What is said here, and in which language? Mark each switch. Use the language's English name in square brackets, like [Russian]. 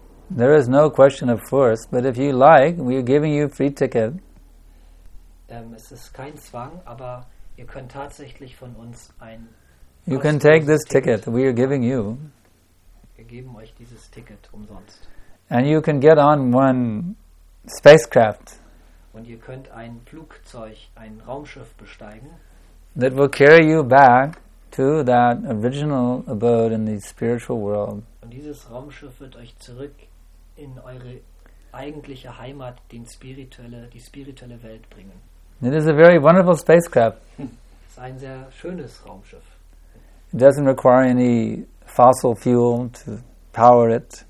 [English] There is no question of force, but if you like, we are giving you free ticket. [German] Es ist kein Zwang, aber ihr könnt tatsächlich von uns ein [English] You can take this ticket. We are giving you. [German] Wir geben euch dieses Ticket umsonst. [English] And you can get on one spacecraft. [German] Und ihr könnt ein Flugzeug, ein Raumschiff besteigen. [English] That will carry you back to that original abode in the spiritual world. [German] Und dieses Raumschiff wird euch zurück in eure eigentliche Heimat, die spirituelle Welt bringen. [English] It is a very wonderful spacecraft. [German] Es ist ein sehr schönes Raumschiff. [English] It doesn't require any fossil fuel to power it.